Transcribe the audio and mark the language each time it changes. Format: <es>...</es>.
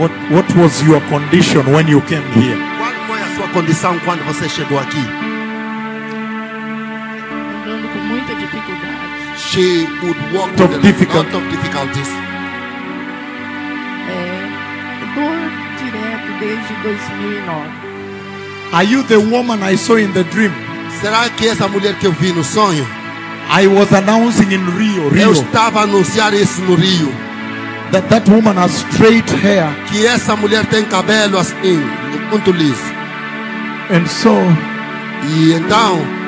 <en>What was your condition when you came here?</en> <pt>Qual foi a sua condição quando você chegou aqui? Andando com muita dificuldade.</pt> <en>She would walk with a lot of difficulties.</en> <pt>Dor direto desde 2009.</pt> <en>Are you the woman I saw in the dream?</en> <pt>Será que essa mulher que eu vi no sonho?</pt> <en>I was announcing in Rio,</en> <pt>Eu estava a anunciar isso no Rio.</pt> <en>That woman has straight hair.</en> <pt>Que essa mulher tem cabelo assim, muito liso.</pt> <en>And so,</en> <pt>e então,</pt>